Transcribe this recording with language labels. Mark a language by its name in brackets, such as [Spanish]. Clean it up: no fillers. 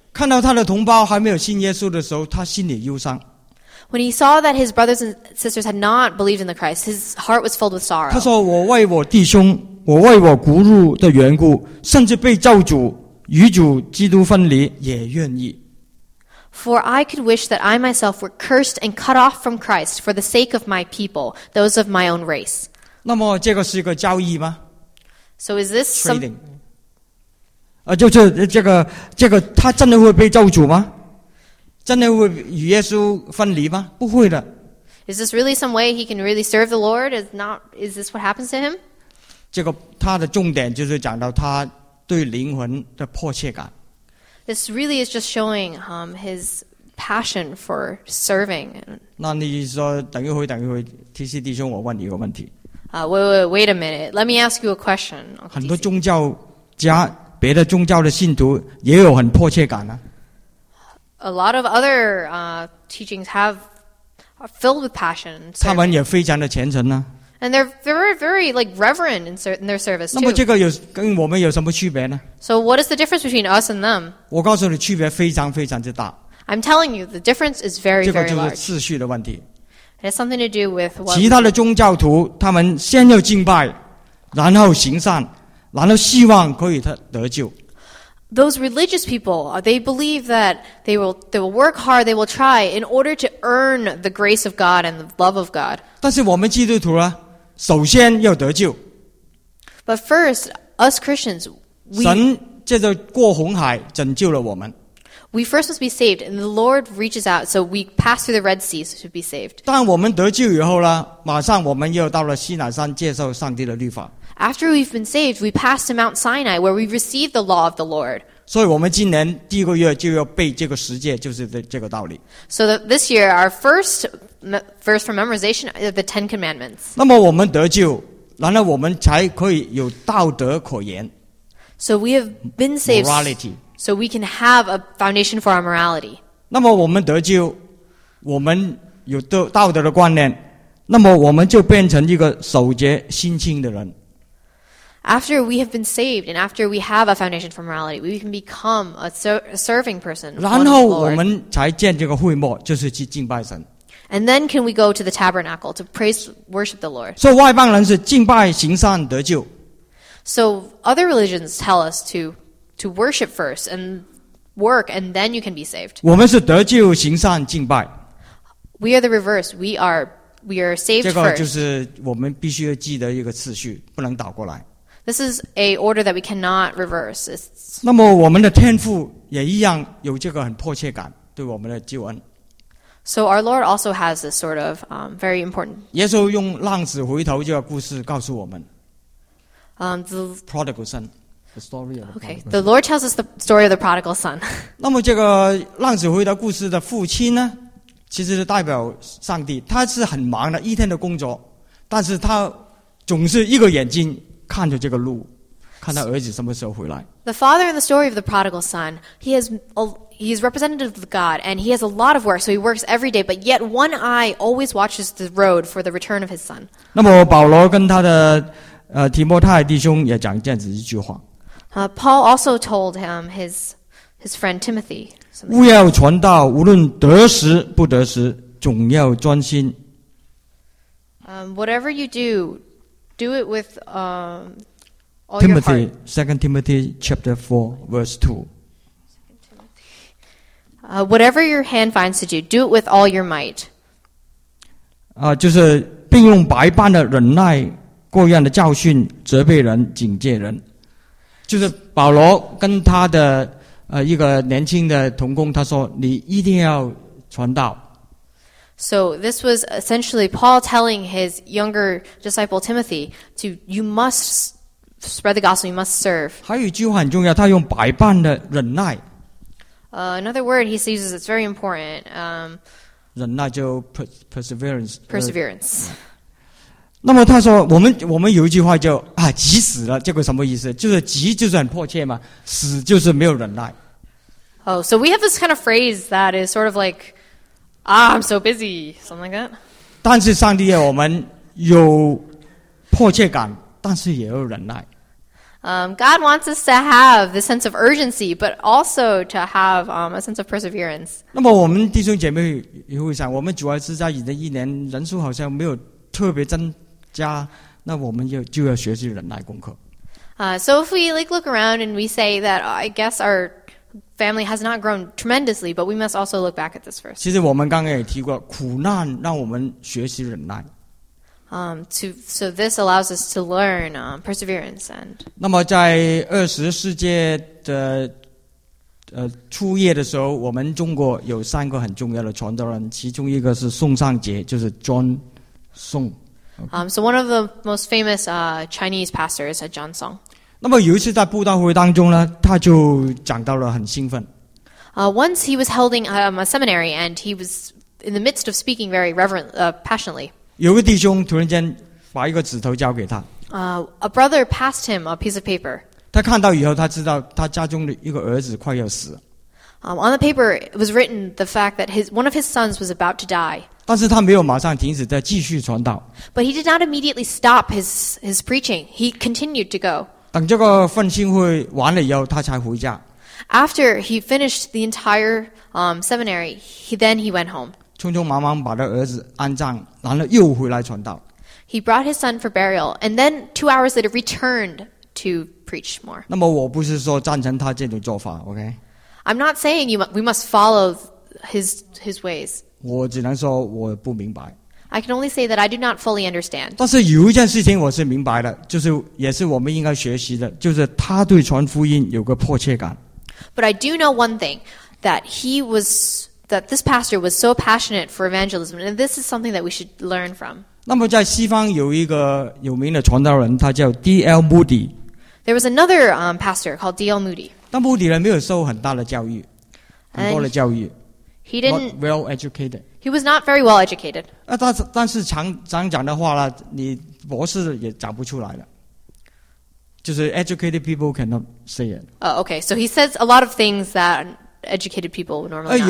[Chinese] 看到他的同胞还没有信耶稣的时候，他心里忧伤。 [English] When he saw that his brothers and sisters had not believed in the Christ, his heart was filled with sorrow. [Chinese] 他说：“我为我弟兄，我为我骨肉的缘故，甚至被咒诅，与主基督分离，也愿意。” [English] For I could wish that I myself were cursed and cut off from Christ for the sake of my people, those of my own race. [Chinese] 那么这个是一个交易吗 [English] ？So is this trading? [Chinese] 就是这个，他真的会被咒诅吗？真的会与耶稣分离吗？不会的。 [English] Is this really some way he can really serve the Lord? Is this what happens to him? [Chinese] 这个他的重点就是讲到他对灵魂的迫切感。 [English] This really is just showing his passion for serving. [Chinese] 那你说等一会，TC弟兄，我问你一个问题。 [English] Wait a minute. Let me ask you a question. [Chinese] 很多宗教家，别的宗教的信徒也有很迫切感啊。 [English] A lot of other teachings are filled with passion. [Chinese] 他们也非常的虔诚呢。 [English] And they're very, very like reverent in their service too. [Chinese] 那么这个有跟我们有什么区别呢 [English] ？So what is the difference between us and them? [Chinese] 我告诉你，区别非常非常之大。 [English] I'm telling you, the difference is very, very large. [Chinese] 这个就是次序的问题。 [English] It has something to do with. [Chinese] 其他的宗教徒，他们先要敬拜，然后行善，然后希望可以得救。 [English] Those religious people, they believe that they will work hard, they will try in order to earn the grace of God and the love of God. [Chinese] 但是我们基督徒呢，首先要得救。 [English] But first, us Christians, [Chinese] 神借着过红海拯救了我们。 [English] We first must be saved, and the Lord reaches out, so we pass through the Red Sea so to be saved. [Chinese] 当我们得救以后呢，马上我们又到了西乃山接受上帝的律法。 [English] After we've been saved, we pass to Mount Sinai where we receive the law of the Lord. [Chinese] 所以我们今年第一个月就要背这个十诫，就是这个道理。 [English] So that this year, our first verse for memorization are the Ten Commandments. [Chinese] 那么我们得救，然后我们才可以有道德可言。 [English] So we have been saved. Morality. So we can have a foundation for our morality. [Chinese] 那么我们得救，我们有道德的观念，那么我们就变成一个守节心清的人。 [English] After we have been saved and after we have a foundation for morality, we can become a serving person. [Chinese] 然后我们才建这个会幕，就是去敬拜神。 [English] And then can we go to the tabernacle to praise worship the Lord? [Chinese] 所以外邦人是敬拜行善得救。 [English] So other religions tell us to worship first and work and then you can be saved. [Chinese] 我们是得救行善敬拜。 [English] We are the reverse. We are saved first. [Chinese] 这个就是我们必须要记得一个次序，不能倒过来。 [English] This is a order that we cannot reverse. [Chinese] 那么我们的天父也一样有这个很迫切感对我们的救恩。 [English] So our Lord also has this sort of very important. [Chinese] 耶稣用浪子回头这个故事告诉我们。 [English] The prodigal son. The story of okay, the Lord tells us the story of the prodigal son. [Chinese] 那么这个浪子回头故事的父亲呢，其实是代表上帝。他是很忙的一天的工作，但是他总是一个眼睛看着这个路，看他儿子什么时候回来。 [English] The father in the story of the prodigal son, he is representative of God, and he has a lot of work, so he works every day. But yet one eye always watches the road for the return of his son. [Chinese] 那么保罗跟他的提摩太弟兄也讲这样子一句话。 [English] Paul also told him his friend Timothy. [Chinese] 务要传道，无论得时不得时，总要专心。 [English] Whatever you do, do it with all your heart. Second Timothy chapter 4 verse 2. Whatever your hand finds to do, do it with all your might. [Chinese] 就是并用百般的忍耐，各样的教训，责备人，警戒人。就是保罗跟他的一个年轻的同工，他说：“你一定要传道。” [English] So this was essentially Paul telling his younger disciple Timothy to you must spread the gospel, you must serve. [Chinese] 还有一句话很重要，他用百般的忍耐。 [English] Another word he uses that's very important. [Chinese] 忍耐就 perseverance. [English] Perseverance. [Chinese] 那么他说我们有一句话叫啊急死了，这个什么意思？就是急就是很迫切嘛，死就是没有忍耐。 [English] Oh, so we have this kind of phrase that is sort of like, ah, I'm so busy, something like that. [Chinese] 但是上帝要我们有迫切感，但是也有忍耐。 [English] God wants us to have the sense of urgency, but also to have a sense of perseverance. [Chinese] 那么我们弟兄姐妹也会想，我们主要是在这一年人数好像没有特别增。家，那我们就要学习忍耐功课。 [English] So if we like look around and we say that I guess our family has not grown tremendously, but we must also look back at this verse. [Chinese] 其实我们刚刚也提过，苦难让我们学习忍耐。 [English] So this allows us to learn perseverance and. [Chinese] 那么在二十世纪的初夜的时候，我们中国有三个很重要的传道人，其中一个是宋尚杰，就是 John Song。 [English] So one of the most famous Chinese pastors is John Song. [Chinese] 那么有一次在布道会当中呢，他就讲到了很兴奋。 [English] Once he was holding a seminary and he was in the midst of speaking very reverently, passionately. [Chinese] 有个弟兄突然间把一个纸头交给他。 [English] A brother passed him a piece of paper. [Chinese] 他看到以后，他知道他家中的一个儿子快要死。 [English] On the paper it was written the fact that one of his sons was about to die. [Chinese] 但是他没有马上停止，再继续传道。 [English] But he did not immediately stop his preaching. He continued to go. [Chinese] 等这个奉信会完了以后，他才回家。 [English] After he finished the entire seminary, he went home. [Chinese] 匆匆忙忙把他儿子安葬，然后又回来传道。 [English] He brought his son for burial, and then 2 hours later returned to preach more. [Chinese] 那么我不是说赞成他这种做法 ，OK？ [English] I'm not saying we must follow his ways. [Chinese] 我只能说我不明白。 [English] I can only say that I do not fully understand. [Chinese] 但是有一件事情我是明白的，就是也是我们应该学习的，就是他对传福音有个迫切感。 [English] But I do know one thing. that this pastor was so passionate for evangelism, and this is something that we should learn from. [Chinese] 那么在西方有一个有名的传道人，他叫 D.L. Moody。 [English] There was another pastor called D.L. Moody. [Chinese] 但穆迪人没有受很大的教育，很多的教育。 [English] He didn't well educated. He was not very well educated. [Chinese] 那但是常讲的话呢，你博士也讲不出来了。 [English] 就是 educated people cannot say it. Okay, so he says a lot of things that educated people normally don't say.